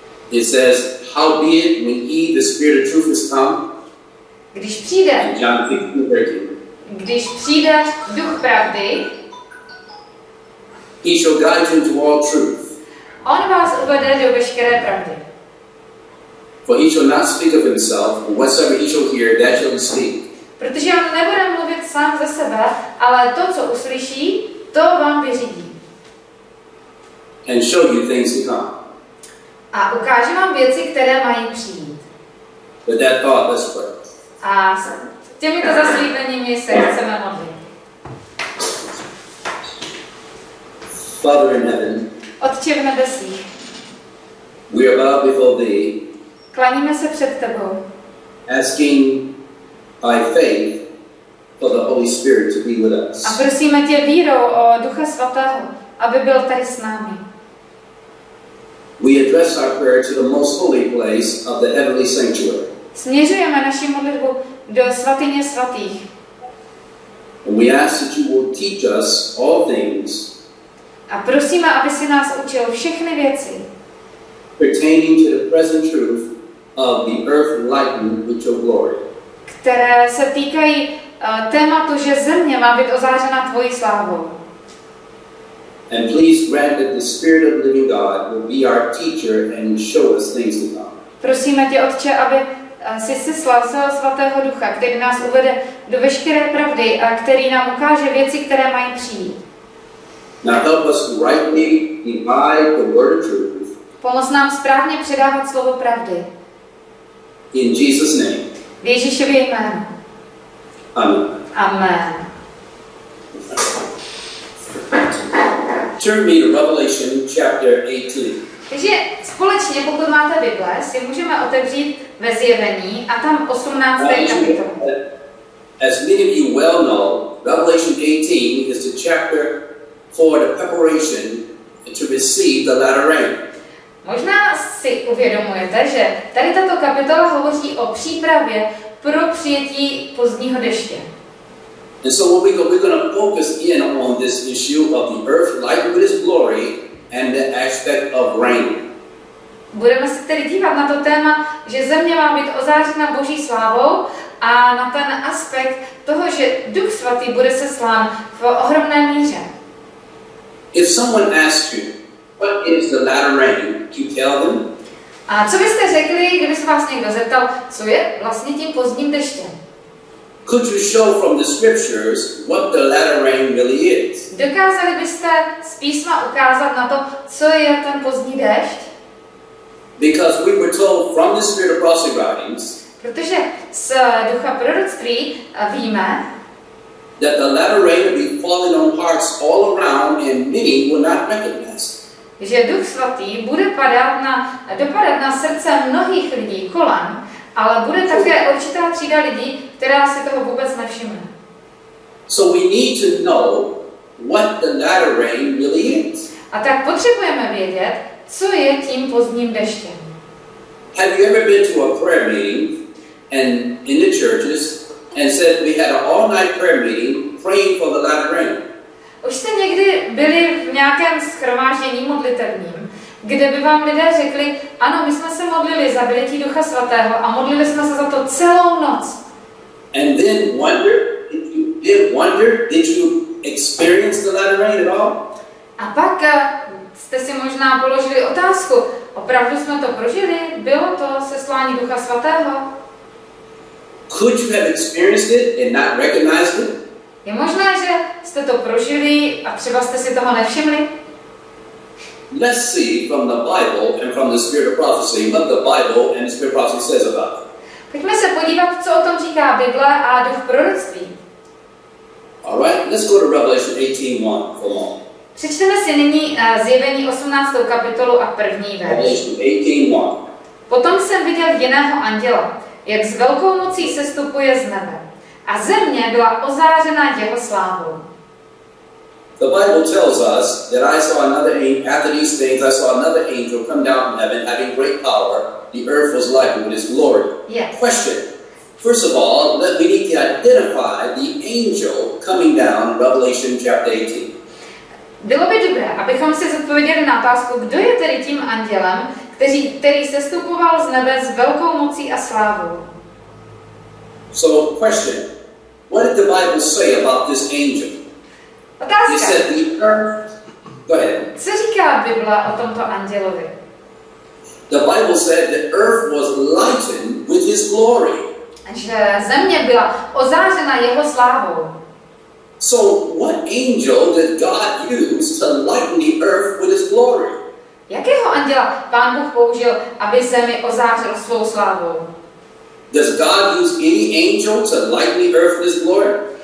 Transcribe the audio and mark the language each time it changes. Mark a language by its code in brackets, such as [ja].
[en] It says, "How be it when he, the Spirit of Truth, is come?" [cs] Když přijde. [en] In John 16:13. [cs] Když přijde Duch pravdy. [en] He shall guide you into all truth. [cs] On vás uvede do veškeré pravdy. [en] For he shall not speak of himself, but whatsoever he shall hear, that shall he speak. [cs] Protože on nebude mluvit sám za sebe, ale to, co uslyší, to vám vyřídí. [en] And show you things to come. [cs] A ukáže vám věci, které mají přijít. [en] With that thought, let's pray. [cs] A s těmito zaslíbeními se chceme modlit. [en] Father in heaven, [cs] Otče v nebesích, [en] we are bowed before thee. [cs] Klaníme se před tebou. [en] Asking by faith for the Holy Spirit to be with us. [cs] A prosíme tě vírou o Ducha svatého, aby byl tady s námi. [en] We address our prayer to the most holy place of the heavenly sanctuary. [cs] Směřujeme naši modlitbu do svatyně svatých. [en] And we ask that you will teach us all things. [cs] A prosíme, aby si nás učil všechny věci. [en] Pertaining to the present truth of the earth lightened with your glory. [cs] Které se týkají tématu, že země má být ozářena tvojí slávou. [en] And please grant that the Spirit of the living God will be our teacher and show us things to come. [cs] Prosíme tě, Otče, aby jsi seslal svého svatého ducha, který nás uvede do veškeré pravdy a který nám ukáže věci, které mají přijít. [en] Now help us rightly divide the word of truth. [cs] Pomoz nám správně předávat slovo pravdy. [en] In Jesus' name. [cs] V Ježíšově jménu. [en] Amen. [cs] Amen. [en] Turn me to Revelation chapter 18. [cs] Takže společně, pokud máte Bible, si můžeme otevřít ve Zjevení a tam 18. kapitolu. [en] As many of you well know, Revelation 18 is the chapter for the preparation to receive the latter rain. [cs] Možná si uvědomujete, že tady tato kapitola hovoří o přípravě pro přijetí pozdního deště. [en] And so we're going to focus in on this issue of the earth light with its glory and the aspect of rain. [cs] Budeme se tedy dívat na to téma, že Země má být ozářena Boží slávou a na ten aspekt toho, že Duch svatý bude seslán v ohromné míře. [en] If someone asks you, what is the latter rain, do you tell them? [cs] A co byste řekli, kdyby se vás někdo zeptal, co je vlastně tím pozdním deštěm? [en] Could you show from the scriptures what the latter rain really is? [cs] Dokázali byste z písma ukázat na to, co je ten pozdní déšť? [en] Because we were told from the spirit of prophecy writings. [cs] Protože z ducha proroctví víme, [en] that the latter rain will be falling on hearts all around and many will not recognize. [cs] Že Duch svatý bude padat na srdce mnohých lidí kolem, ale bude také určitá třída lidí, která si toho vůbec nevšimne. [en] So we need to know what the latter rain really is. [cs] A tak potřebujeme vědět, co je tím pozdním deštěm. [en] Have you ever been to a prayer meeting and in the churches and said we had an all-night prayer meeting praying for the latter rain? [cs] Už jste někdy byli v nějakém shromáždění modlitevním, kde by vám lidé řekli, ano, my jsme se modlili za vylití Ducha svatého a modlili jsme se za to celou noc. [en] And then wonder, if you did wonder, did you experience the latter rain at all? [cs] A pak jste si možná položili otázku, opravdu jsme to prožili? Bylo to seslání Ducha svatého? [en] Could you have experienced it and not recognized it? [cs] Je možné, že jste to prožili a třeba jste si toho nevšimli? [en] Let's see from the Bible and from the spirit of prophecy what the Bible and the spirit of prophecy says about it. [cs] Pojďme se podívat, co o tom říká Bible a duch proroctví. [en] All right, let's go to Revelation 18:1 for long. [cs] Přečteme si nyní zjevení 18. kapitolu a první verš. Potom jsem viděl jiného anděla, jak s velkou mocí sestupuje z nebe. A země byla ozářena jeho slávou. [en] The Bible tells us that I saw another angel, after these things, I saw another angel come down from heaven having great power. The earth was lightened with his glory. Yes. Question. First of all, let me need to identify the angel coming down, Revelation chapter 18. [cs] Bylo by dobré, abychom si zodpověděli na otázku, kdo je tedy tím andělem, který sestupoval z nebe s velkou mocí a slávou. [en] So, question. What did the Bible say about this angel? [cs] Otázka. [en] He said the earth. Go ahead. [cs] Co říká Bible o tomto andělovi? [en] The Bible said the earth was lightened with his glory. [cs] Že země byla ozářena jeho slávou. [en] So what angel did God use to lighten the earth with his glory? [cs] Jakého anděla Pán Bůh použil, aby zemi ozářil svou slávou? [en] Does God use any angel to lighten the earth with his glory?